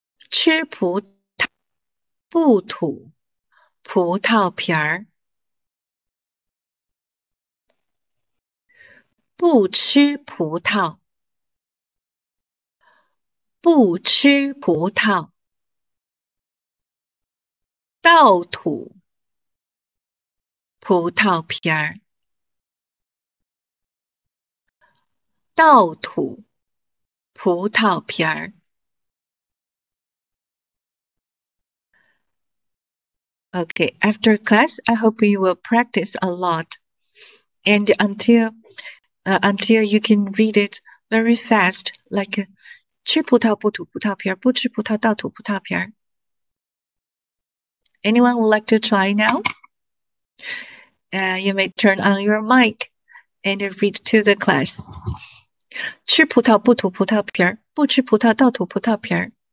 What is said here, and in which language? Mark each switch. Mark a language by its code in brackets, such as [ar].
[zh] 吃葡萄不吐葡萄皮儿，不吃葡萄，不吃葡萄，倒吐葡萄皮儿，倒吐葡萄皮儿。 [en] Okay, after class, I hope you will practice a lot. And until you can read it very fast, like [zh] 吃葡萄不吐葡萄皮儿，不吃葡萄倒吐葡萄皮儿。 [en] Anyone would like to try now? You may turn on your mic and read to the class. [zh] 吃葡萄不吐葡萄皮儿，不吃葡萄倒吐葡萄皮儿。